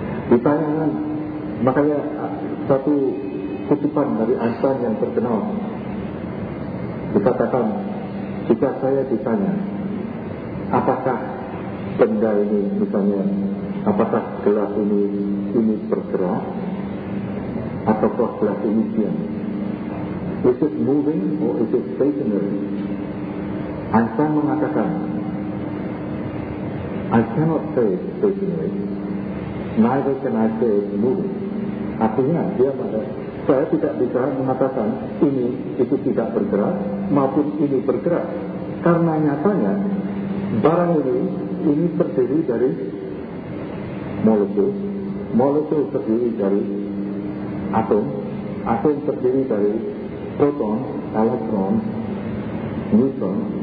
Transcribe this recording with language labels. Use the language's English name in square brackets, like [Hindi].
[Indonesian] Ditanyakan, makanya satu kutipan dari Einstein yang terkenal. Dikatakan, jika saya ditanya, apakah benda ini misalnya, apakah gelas ini bergerak? Atau kelas ini diam. [English] Is it moving or is it stationary? [Indonesian] Einstein mengatakan, [English] I cannot say it's stationary. Neither can I say it's moving. [Indonesian] Artinya, dia mengatakan, saya tidak bisa mengatakan ini itu tidak bergerak maupun ini bergerak. Karena nyatanya, barang ini terdiri dari molekul. Molekul terdiri dari atom, atom terdiri dari proton, elektron, neutron.